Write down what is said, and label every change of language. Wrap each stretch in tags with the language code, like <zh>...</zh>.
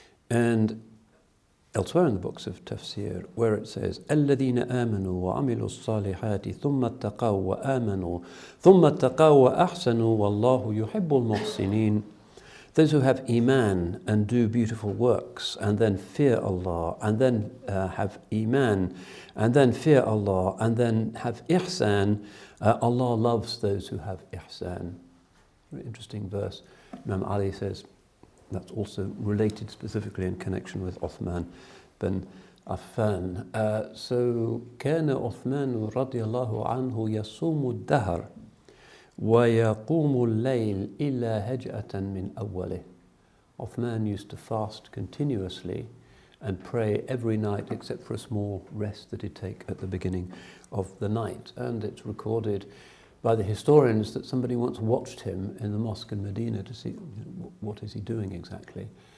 <en>And elsewhere in the books of tafsir, where it says,</en> <ar>الَّذِينَ آمَنُوا وَعَمِلُوا الصَّالِحَاتِ ثُمَّ اتَّقَوْا وَآمَنُوا ثُمَّ اتَّقَوْا وَأَحْسَنُوا وَاللَّهُ يُحِبُّ الْمُحْسِنِينَ.</ar> <en>Those who have iman and do beautiful works and then fear Allah and then have iman and then fear Allah and then have ihsan, Allah loves those who have ihsan. Very interesting verse. Imam Ali says that's also related specifically in connection with Uthman bin Affan.</en> <ar>So, كان Uthman رضي الله عنه يصوم الدهر وَيَقُومُ اللَّيْلِ إِلَّا هَجْأَةً مِّنْ أَوَّلِهِ.</ar> <en>Uthman used to fast continuously and pray every night except for a small rest that he'd take at the beginning of the night. And it's recorded by the historians that somebody once watched him in the mosque in Medina to see what is he doing exactly.</en>